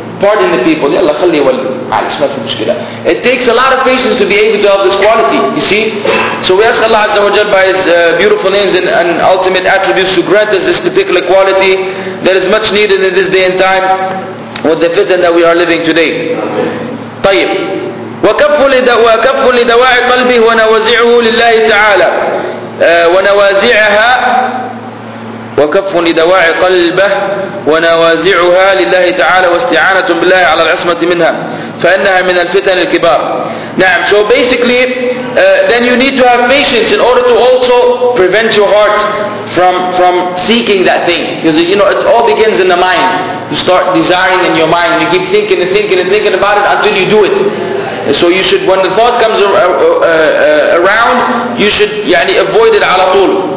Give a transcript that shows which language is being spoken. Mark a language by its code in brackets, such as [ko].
[en] pardon the people. [ar] يلا خليه يولي. معلش ما في مشكلة. [en] It takes a lot of patience to be able to have this quality. You see? So we ask Allah Azza wa Jal by His beautiful names and ultimate attributes to grant us this particular quality that is much needed in this day and time with the fitna that we are living today. [ar] طيب. وكف لدواعي قلبه ونوازعه لله تعالى ونوازعها وكف لدواعي قلبه ونوازعها لله تعالى واستعانة بالله على العصمة منها فإنها من الفتن الكبار. نعم. [en] So basically then you need to have patience in order to also prevent your heart from seeking that thing, because you know it all begins in the mind. You start desiring in your mind, you keep thinking and thinking and thinking about it until you do it. So you should, when the thought comes around, you should يعني avoid it [ar] على طول.